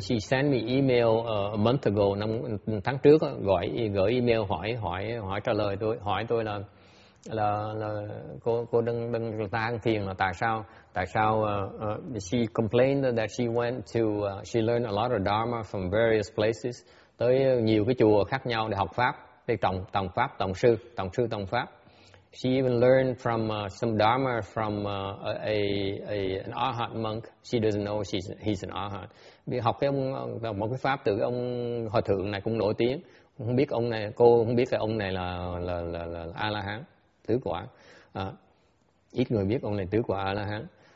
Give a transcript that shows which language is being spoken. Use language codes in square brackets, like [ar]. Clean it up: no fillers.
[en] She sent me email a month ago. [vi] Tháng trước gửi email hỏi trả lời tôi. Hỏi tôi là cô đang tan phiền là tại sao [en] she complained that she went to she learned a lot of dharma from various places. [vi] Tới nhiều cái chùa khác nhau để học pháp, để tổng pháp, tổng sư tổng pháp. [en] She even learned from some dharma from an arhat monk. She doesn't know he's an arhat. [vi] Đi học cái ông một cái pháp từ cái ông hòa thượng này cũng nổi tiếng. Không biết ông này, cô không biết cái ông này là a la hán tứ quả. Ít người biết ông này tứ quả a la hán.